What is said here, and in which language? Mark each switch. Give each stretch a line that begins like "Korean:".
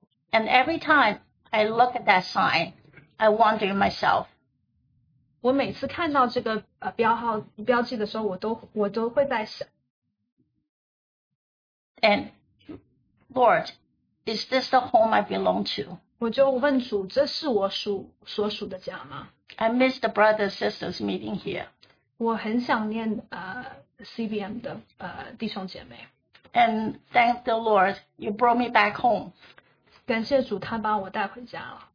English: And every time I look at that sign, I wonder myself.
Chinese: 我每次看到这个标记的时候，我都会在想。
English: And Lord, is this the home I belong to?
Chinese: 我就问主，这是我所属的家吗？
English: I miss the brothers and sisters meeting here.
Chinese: 我很想念CBM 的弟兄姐妹。
English: And thank the Lord, you brought me back home.
Chinese: 感谢主，他把我带回家了。